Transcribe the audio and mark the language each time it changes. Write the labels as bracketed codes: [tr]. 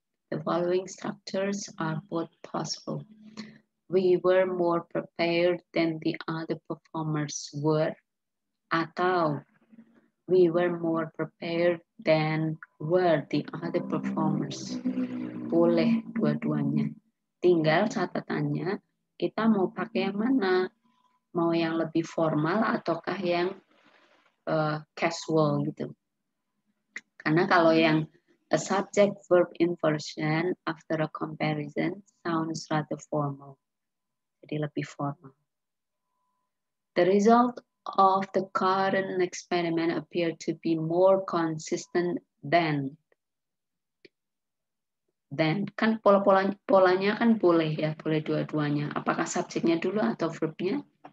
[en] The following structures are both possible. We were more prepared than the other performers were. Atau, we were more prepared than were the other performers. [id] Boleh dua-duanya. Tinggal catatannya, kita mau pakai yang mana? Mau yang lebih formal ataukah yang casual gitu. [en] Karena kalau yang a subject verb inversion after a comparison sounds rather formal. Jadi lebih formal. The result of the current experiment appeared to be more consistent than. [id] Then kan polanya kan boleh ya, boleh dua-duanya. Apakah subjeknya dulu atau verbnya?